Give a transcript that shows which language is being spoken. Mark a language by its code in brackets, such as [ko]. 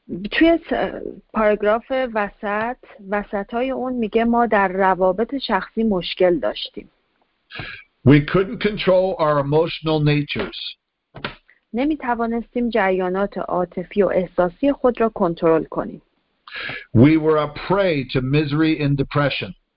[fa] توی پاراگراف وسطای اون میگه ما در روابط شخصی مشکل داشتیم. [en] We couldn't control our emotional natures. [fa] نمی توانستیم جریانات عاطفی و احساسی خود را کنترل کنیم. [en] We were a prey to misery and depression.